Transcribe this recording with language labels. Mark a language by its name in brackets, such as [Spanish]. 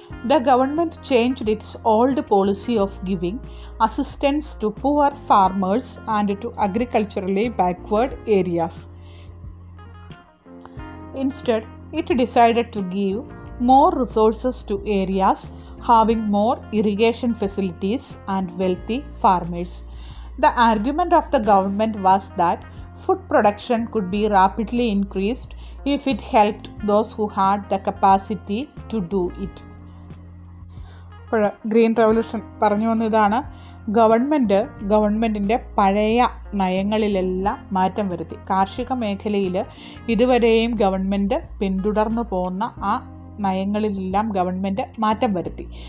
[English] The government change its old policy of giving assistance to poor farmers and to agriculturally backward areas. Instead it decided to give more resources to areas having more irrigation facilities and wealthy farmers. The argument of the government was that food production could be rapidly increased if it helped those who had the capacity to do it. [Malayalam] Green revolution പറഞ്ഞു വന്നതാണ് government ഗവൺമെൻറ്റിൻ്റെ പഴയ നയങ്ങളിലെല്ലാം മാറ്റം വരുത്തി. കാർഷിക മേഖലയിൽ ഇതുവരെയും government പിന്തുടർന്നു പോകുന്ന ആ നയങ്ങളിലെല്ലാം ഗവൺമെൻറ് മാറ്റം വരുത്തി.